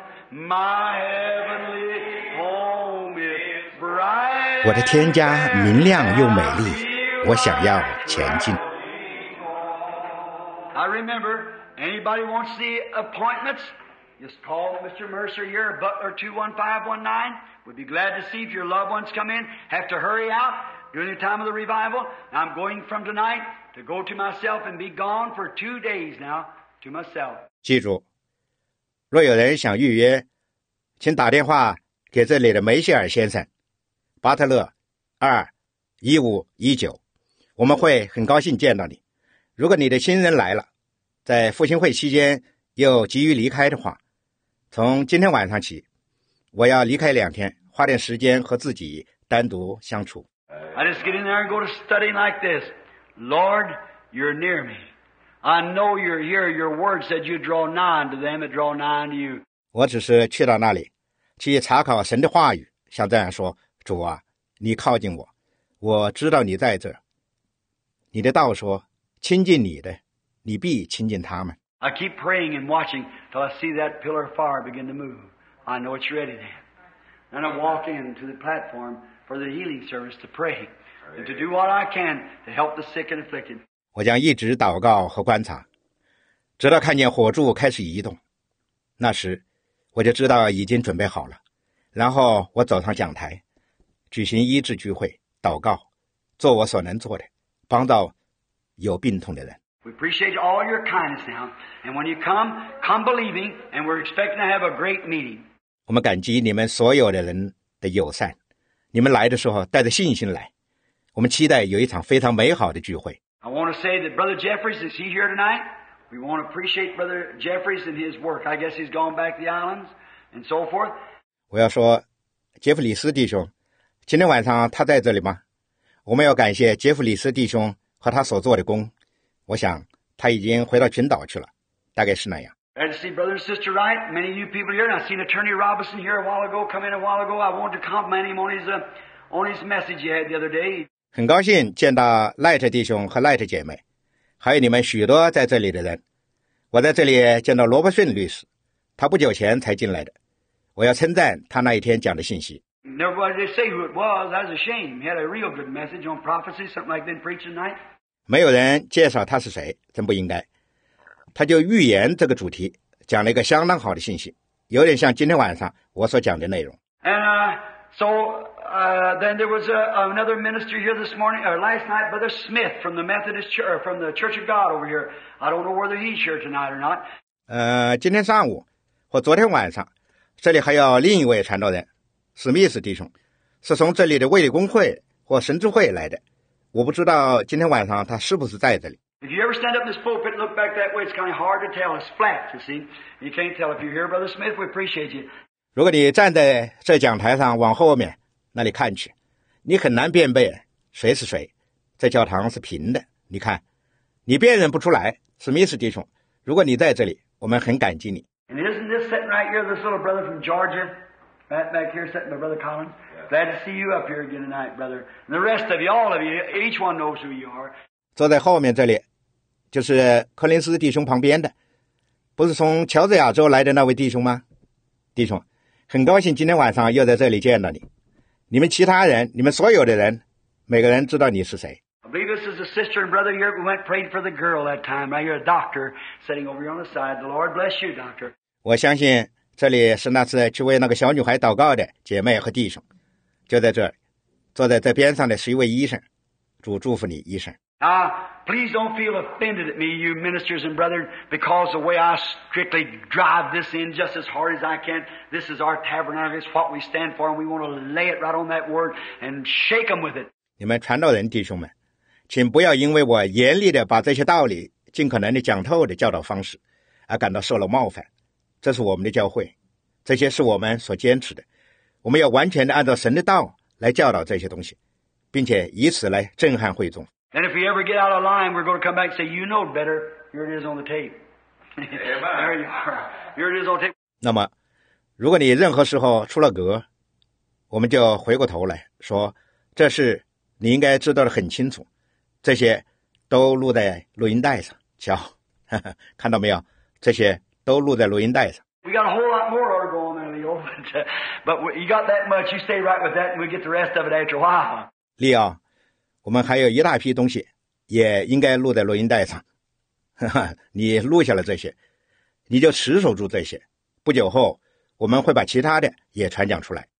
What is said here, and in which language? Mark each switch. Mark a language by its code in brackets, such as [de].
[en] My heavenly home is bright. [zh] 我的天家明亮又美丽，我想要前进。 [en] I remember, anybody wants the appointments, just call Mr. Mercer here, Butler 21519. We'd be glad to see if your loved ones come in, have to hurry out during the time of the revival. I'm going from tonight to go to myself and be gone for 2 days now to myself. [zh] 记住，若有人想预约，请打电话给这里的梅歇尔先生，巴特勒 2-1519. 我们会很高兴见到你。如果你的亲人来了，在复兴会期间又急于离开的话，从今天晚上起，我要离开两天，花点时间和自己单独相处。 [en] I just get in there and go to studying like this. Lord, you're near me. I know you're here. Your word said you draw nigh unto them that draw nigh unto you. [zh] 我只是去到那里，去查考神的话语，像这样说：主啊，你靠近我，我知道你在这。你的道说，亲近你的，你必亲近他们。 [en] I keep praying and watching till I see that pillar of fire begin to move. I know it's ready then. Then I walk into the platform for the healing service to pray and to do what I can to help the sick and afflicted. [zh] 我将一直祷告和观察，直到看见火柱开始移动，那时我就知道已经准备好了。然后我走上讲台，举行医治聚会，祷告，做我所能做的，帮到有病痛的人。 [en] We appreciate all your kindness now, and when you come, come believing, and we're expecting to have a great meeting. [zh] 我们感激你们所有的人的友善，你们来的时候带着信心来，我们期待有一场非常美好的聚会。 [en] I want to say that Brother Jeffries, is he here tonight? We want to appreciate Brother Jeffries and his work. I guess he's gone back to the islands and so forth. [zh] 我要说，杰弗里斯弟兄，今天晚上他在这里吗？我们要感谢杰弗里斯弟兄和他所做的工。我想他已经回到群岛去了，大概是那样。 [en] I see brother and sister Wright, many new people here, and I seen Attorney Robinson here a while ago, come in a while ago. I wanted to compliment him on his message he had the other day. [zh] 很高兴见到 Light 弟兄和 Light 姐妹，还有你们许多在这里的人。我在这里见到罗伯逊律师，他不久前才进来的。我要称赞他那一天讲的信息。 [en] Nobody to say who it was. That's a shame. He had a real good message on prophecy, something like been preaching tonight. [zh] 没有人介绍他是谁，真不应该。他就预言这个主题，讲了一个相当好的信息，有点像今天晚上我所讲的内容。 [en] And then there was another minister here this morning or last night, Brother Smith from the Methodist Church, from the Church of God over here. I don't know whether he's here tonight or not. [zh] 今天上午或昨天晚上，这里还有另一位传道人。史密斯弟兄是从这里的卫理公会或神职会来的，我不知道今天晚上他是不是在这里。 [en] If you ever stand up in this pulpit and look back that way, it's kind of hard to tell. It's flat, you see. You can't tell if you're here, Brother Smith. We appreciate you. [zh] 如果你站在这讲台上往后面那里看去，你很难辨别谁是谁。这教堂是平的，你看，你辨认不出来。史密斯弟兄，如果你在这里，我们很感激你。 [en] And isn't this sitting right here, this little brother from Georgia? Back here sitting by Brother Collins. Glad to see you up here again tonight, brother. And the rest of you, all of you, each one knows who you are. [zh] 坐在后面这里，就是柯林斯弟兄旁边的，不是从乔治亚州来的那位弟兄吗？弟兄，很高兴今天晚上又在这里见到你。你们其他人，你们所有的人，每个人知道你是谁。 [en] I believe this is a sister and brother here. We went prayed for the girl that time. Right here, a doctor sitting over here on the side. The Lord bless you, doctor. [zh] 我相信这里是那次去为那个小女孩祷告的姐妹和弟兄，就在这儿，坐在这边上的是一位医生。主祝福你，医生。 [en] Please don't feel offended at me, you ministers and brethren, because the way I strictly drive this in just as hard as I can, this is our tabernacle, it's what we stand for, and we want to lay it right on that word and shake them with it. [zh] 你们传道人弟兄们，请不要因为我严厉的把这些道理尽可能的讲透的教导方式而感到受了冒犯。这是我们的教会，这些是我们所坚持的，我们要完全的按照神的道来教导这些东西，并且以此来震撼会众。 [en] And if we ever get out of line, we're going to come back and say, you know better. Here it is on the tape. There you are. Here it is on tape. [zh] 那么，如果你任何时候出了格，我们就回过头来说，这是你应该知道的很清楚，这些都录在录音带上。瞧，呵呵，看到没有？这些都录在录音带上。 [en] We got a whole lot more to go on there, Leo. But you got that much. You stay right with that, and we get the rest of it after a while. Leo. [zh] 我们还有一大批东西也应该录在录音带上。你录下了这些，你就持守住这些，不久后我们会把其他的也传讲出来。